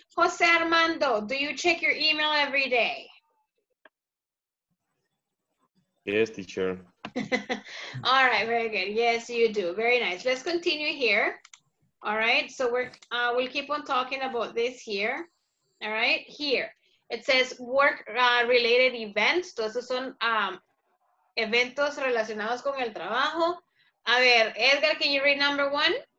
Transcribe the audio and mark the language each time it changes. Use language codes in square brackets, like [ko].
[en] Jose Armando, do you check your email every day? Yes, teacher. All right. Very good. Yes, you do. Very nice. Let's continue here. All right. So we'll keep on talking about this here. All right, here it says work related events. [es] Todos esos son eventos relacionados con el trabajo. A ver, [en] Edgar, can you read number one?